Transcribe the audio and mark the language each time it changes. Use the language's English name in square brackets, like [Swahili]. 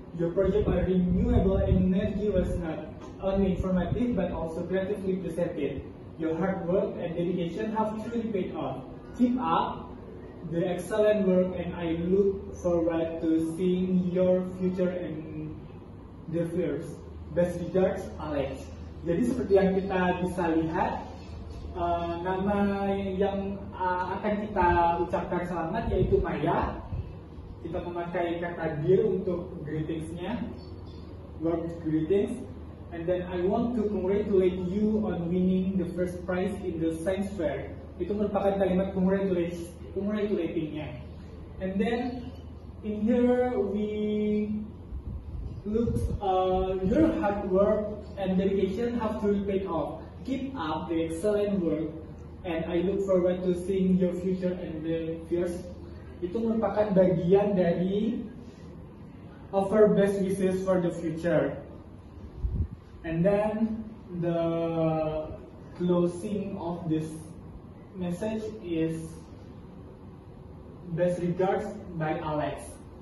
[English] Your project on renewable energy was not only informative but also creatively presented. Your hard work and dedication have truly paid off. Keep up the excellent work, and I look forward to seeing your future and the first. Best regards, Alex. [Indonesian] Jadi seperti yang kita bisa lihat, nama yang akan kita ucapkan selamat yaitu Maya. Kita memakai kata dear untuk greetings-nya, work greetings. [English] And then I want to congratulate you on winning the first prize in the science fair. [Indonesian] Itu merupakan kalimat congratulating-nya. [English] And then in here we look, your hard work and dedication have truly paid off. Keep up the excellent work, and I look forward to seeing your future and the peers. [Indonesian] Itu merupakan bagian dari [English] offer best wishes for the future. And then the closing of this message is best regards by Alex.